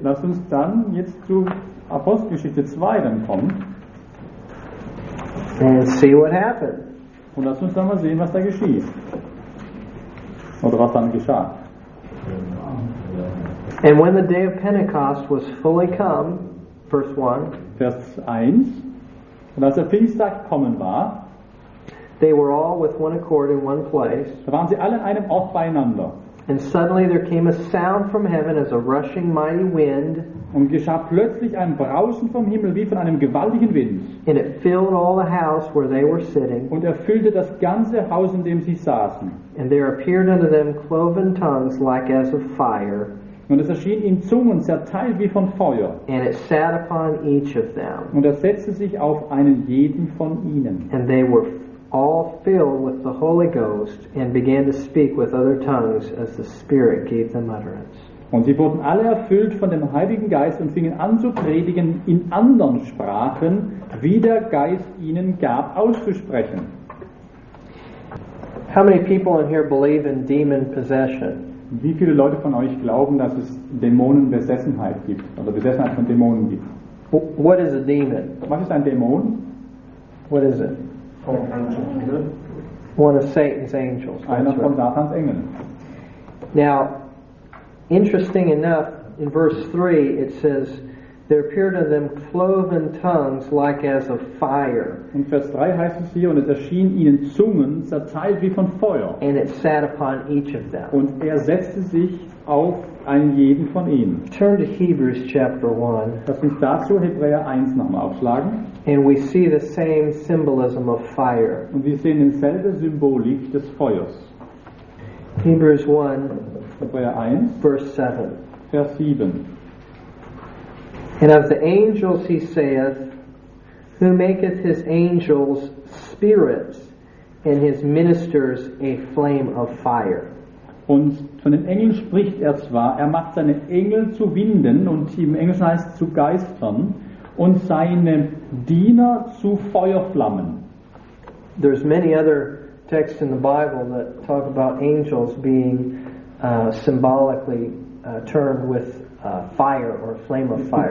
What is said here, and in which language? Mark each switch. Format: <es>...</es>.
<de>Lass uns dann jetzt zu Apostelgeschichte 2 dann kommen.</de> <en>And see what happened.</en> <de>Und lass uns dann mal sehen, was da geschieht. Oder was dann geschah.</de> <en>And when the day of Pentecost was fully come, verse 1.</en> <de>Vers 1. Und als der Pfingsttag gekommen war,</de> <en>they were all with one accord in one place.</en> <de>Da waren sie alle in einem Ort beieinander.</de> <en>And suddenly there came a sound from heaven as a rushing mighty wind.</en> <de>Und geschah plötzlich ein Brausen vom Himmel wie von einem gewaltigen Wind.</de> <en>And it filled all the house where they were sitting.</en> <de>Und erfüllte das ganze Haus, in dem sie saßen.</de> <en>And there appeared unto them cloven tongues like as of fire.</en> <de>Und es erschien ihnen Zungen zerteilt wie von Feuer.</de> <en>And it sat upon each of them.</en> <de>Und es setzte sich auf einen jeden von ihnen.</de> <en>And they were all filled with the Holy Ghost and began to speak with other tongues as the Spirit gave them utterance.</en> <de>Und sie wurden alle erfüllt von dem Heiligen Geist und fingen an zu predigen in anderen Sprachen, wie der Geist ihnen gab auszusprechen.</de> <en>How many people in here believe in demon possession?</en> <de>Wie viele Leute von euch glauben, dass es Dämonenbesessenheit gibt oder Besessenheit von Dämonen gibt?</de> <en>What is a demon? Was ist ein Dämon? What is it? One of Satan's angels.</en> <de>Einer von Satans Engeln.</de> <en>Now, interesting enough, in verse 3 it says, there appeared to them cloven tongues like as of fire.</en> <de>In Vers 3 heißt es hier, und es erschien ihnen Zungen zerteilt wie von Feuer.</de> <en>And it sat upon each of them.</en> <de>Und er setzte sich auf einen jeden von ihnen.</de> <en>Turn to Hebrews chapter 1.</en> <de>Lass uns dazu Hebräer 1 nochmal aufschlagen.</de> <en>And we see the same symbolism of fire.</en> <de>Und wir sehen dieselbe Symbolik des Feuers.</de> <en>Hebrews 1.</en> <de>Hebräer 1.</de> <en>Verse 7.</en> <de>Vers 7.</de> <en>And of the angels he saith, who maketh his angels spirits, and his ministers a flame of fire.</en> <de>Und von den Engeln spricht er zwar, er macht seine Engel zu Winden, und im Englischen heißt zu Geistern, und seine Diener zu Feuerflammen.</de> <en>There's many other texts in the Bible that talk about angels being symbolically termed with fire or flame of fire.</en>